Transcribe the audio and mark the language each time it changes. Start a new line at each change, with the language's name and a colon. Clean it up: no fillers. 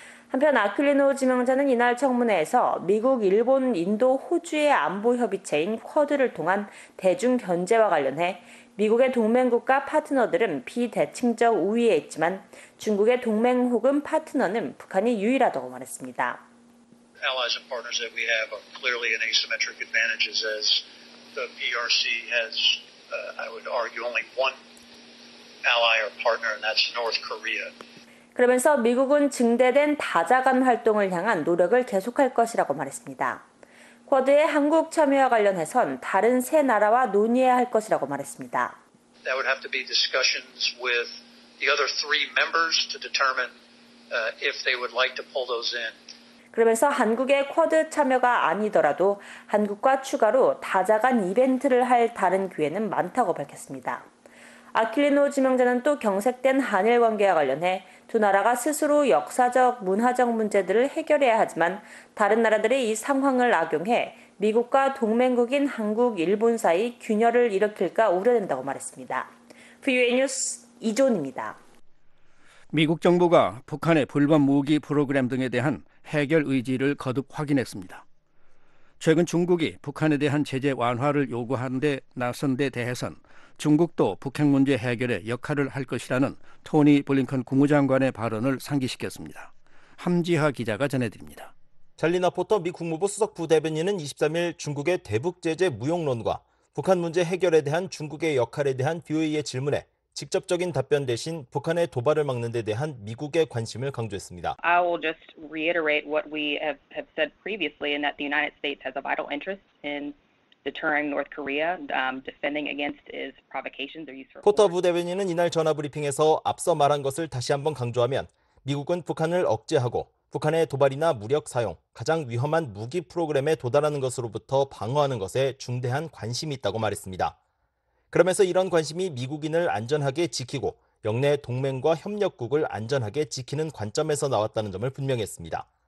Korean: 한편 아퀼리노 지명자는 이날 청문회에서 미국, 일본, 인도, 호주의 안보협의체인 쿼드를 통한 대중 견제와 관련해 미국의 동맹국과 파트너들은 비대칭적 우위에 있지만 중국의 동맹 혹은 파트너는 북한이 유일하다고 말했습니다.
English: Allies and partners that we have are clearly in asymmetric advantages as the PRC has, I would argue, only one ally or partner, and that's North Korea.
Korean: 그러면서 미국은 증대된 다자간 활동을 향한 노력을 계속할 것이라고 말했습니다. 쿼드의 한국 참여와 관련해선 다른 세 나라와 논의해야 할 것이라고 말했습니다.
English: That would have to be discussions with the other three members to determine if they would like to pull those in.
Korean: 그러면서 한국의 쿼드 참여가 아니더라도 한국과 추가로 다자간 이벤트를 할 다른 기회는 많다고 밝혔습니다. 아퀼리노 지명자는 또 경색된 한일 관계와 관련해 두 나라가 스스로 역사적, 문화적 문제들을 해결해야 하지만 다른 나라들이 이 상황을 악용해 미국과 동맹국인 한국, 일본 사이 균열을 일으킬까 우려된다고 말했습니다. VOA 뉴스 이존입니다. 미국 정부가 북한의 불법 무기 프로그램 등에 대한 해결 의지를 거듭 확인했습니다. 최근 중국이 북한에 대한 제재 완화를 요구한 데 나선 데 대해선 중국도 북핵 문제 해결에 역할을 할 것이라는 토니 블링컨 국무장관의 발언을 상기시켰습니다. 함지하 기자가 전해드립니다. 젤리나 포터 미 국무부 수석 부대변인은 23일 중국의 대북 제재 무용론과 북한 문제 해결에 대한 중국의 역할에 대한 BOE의 질문에 직접적인 답변 대신 북한의 도발을 막는 데 대한 미국의 관심을 강조했습니다.
English: I will just reiterate what we have said previously in that the United States has a vital interest in deterring North Korea, defending against its provocations or use of force.
Korean: 포터 부대변인은 이날 전화 브리핑에서 앞서 말한 것을 다시 한번 강조하면 미국은 북한을 억제하고 북한의 도발이나 무력 사용, 가장 위험한 무기 프로그램에 도달하는 것으로부터 방어하는 것에 중대한 관심이 있다고 말했습니다. 그러면서 이런 관심이 미국인을 안전하게 지키고 역내 동맹과 협력국을 안전하게 지키는 관점에서 나왔다는 점을 분명했습니다.